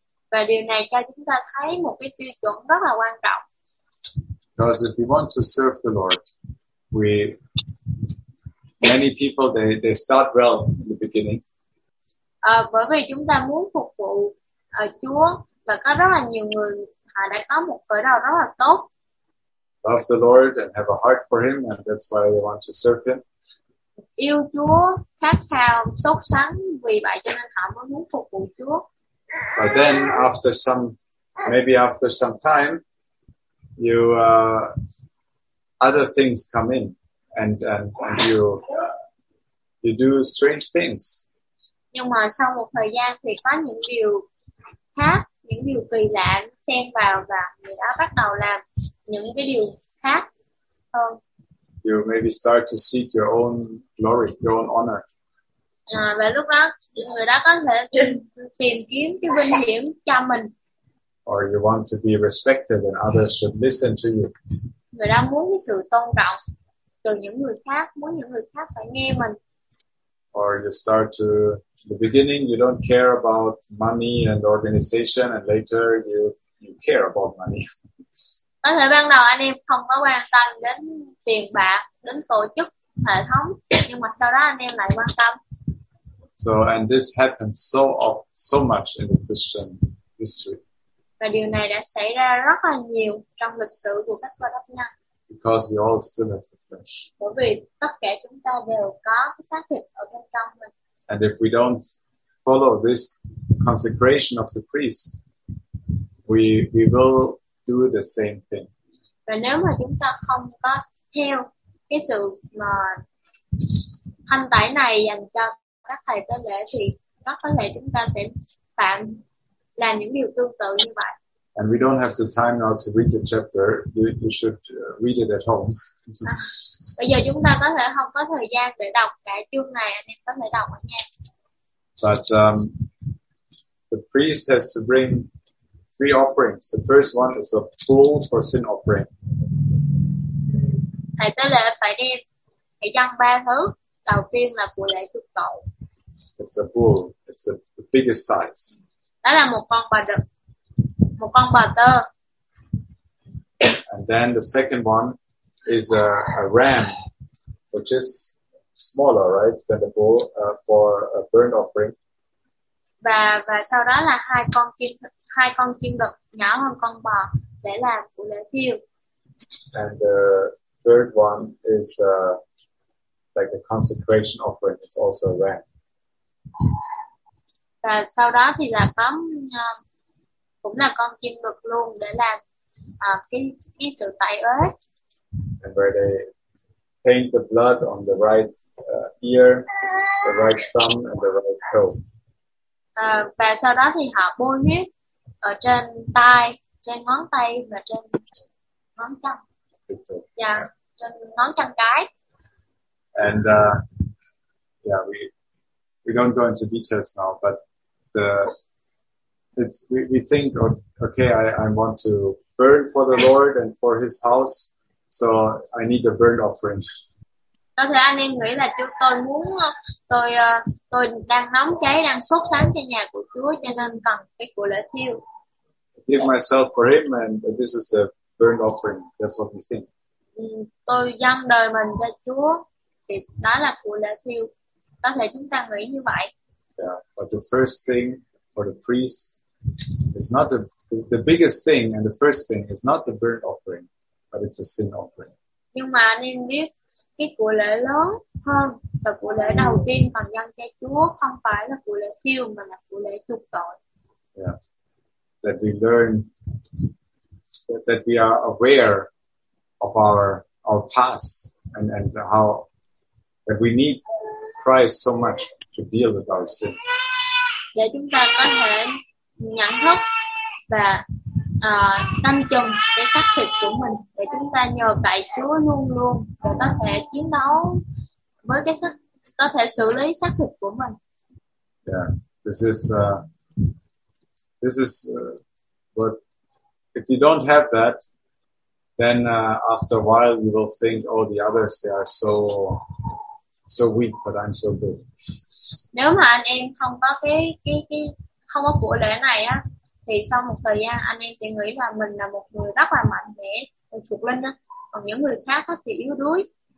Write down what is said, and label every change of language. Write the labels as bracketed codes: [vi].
[vi] Và điều này cho chúng ta thấy một cái tiêu chuẩn rất là quan trọng. [en] Because if we want to serve the Lord, we many people they start well in the beginning. [vi] Bởi vì chúng ta muốn phục vụ Chúa và có rất là nhiều người họ đã có một khởi đầu rất là tốt. [en] Love the Lord and have a heart for Him, and that's why they want to serve Him. [vi] Yêu Chúa, khát khao, sốt sắng vì vậy cho nên họ mới muốn phục vụ Chúa. [en] But then after some, maybe after some time, you other things come in, and you do strange things. [vi] Nhưng mà sau một thời gian thì có những điều khác, những điều kỳ lạ xen vào và người đó bắt đầu làm những cái điều khác hơn. [en] You maybe start to seek your own glory, your own honor. [vi] Và lúc đó người đó có thể tìm kiếm cái vinh hiển cho mình. [en] Or you want to be respected and others should listen to you. [vi] Người đó muốn cái sự tôn trọng từ những người khác, muốn những người khác phải nghe mình. [en] Or you start to, in the beginning you don't care about money and organization, and later you care about money. [vi] Có thể ban đầu anh em không có quan tâm đến tiền bạc, đến tổ chức, hệ thống, nhưng mà sau đó anh em lại quan tâm. [en] So, and this happens so much in the Christian history. [vi] Và điều này đã xảy ra rất là nhiều trong lịch sử của các cơ đốc nhân. [en] Because we all still have the flesh. [vi] Bởi vì tất cả chúng ta đều có cái xác thịt ở bên trong mình. [en] And if we don't follow this consecration of the priest, we will do the same thing. [vi] Và nếu mà chúng ta không có theo cái sự mà thanh tẩy này dành cho các thầy tế lễ thì rất có thể chúng ta sẽ phạm làm những điều tương tự như vậy. [en] And we don't have the time now to read the chapter. You should read it at home. [vi] Bây giờ chúng ta có thể không có thời gian để đọc cả chương này, anh em có thể đọc ở nhà. [en] But the priest has to bring three offerings. The first one is a full for sin offering. [vi] Thầy tế lễ phải đem phải dâng ba thứ. Đầu tiên là của lễ chuộc tội. [en] It's a bull. It's the biggest size. [vi] Đó là một con bò đực, một con bò tơ. [en] And then the second one is a ram, which is smaller, right, than the bull, for a burnt offering. [vi] Và sau đó là hai con chim đực nhỏ hơn con bò để làm của lễ thiêu. [en] And the third one is like a consecration offering. It's also a ram. [vi] Và sau đó thì là có cũng là con chim đực luôn để làm cái sự tẩy uế. [en] And where they paint the blood on the right ear, the right thumb, and the right toe. [vi] Và sau đó thì họ bôi huyết ở trên tay, trên ngón tay và trên ngón chân. Dạ, trên ngón chân cái. [en] And yeah, we don't go into details now, but we think, okay, I want to burn for the Lord and for His house, so I need a burnt offering. [vi] Có thể anh em nghĩ là tôi muốn tôi đang nóng cháy, đang sốt sáng cho nhà của Chúa, cho nên cần cái của lễ thiêu. [en] Give myself for Him, and this is the burnt offering. That's what we think. [vi] Tôi dâng đời mình cho Chúa, thì đó là của lễ thiêu. Có thể chúng ta nghĩ như vậy. [en] Yeah, but the first thing for the priest is not the biggest thing, and the first thing is not the burnt offering, but it's a sin offering. [vi] Nhưng mà anh em biết cái của lễ lớn hơn và của lễ đầu tiên còn dâng cho Chúa không phải là của lễ thiêu mà là của lễ chuộc tội. [en] Yeah, that we learn that we are aware of our past and how that we need Christ so much to deal with our sin. [vi] Để chúng ta có thể nhận thức và tâm chừng cái xác thịt của mình, để chúng ta nhờ cậy Chúa luôn luôn để có thể chiến đấu với cái xác, có thể xử lý xác thịt của mình. [en] Yeah, this is but if you don't have that, then after a while you will think, oh, the others, they are so so weak but I'm so good. [vi] Nếu mà anh em không có cái không có của lễ này á, thì sau một thời gian anh em sẽ nghĩ là mình là một người rất là mạnh mẽ, thuộc linh á. Còn những người khác á thì yếu đuối.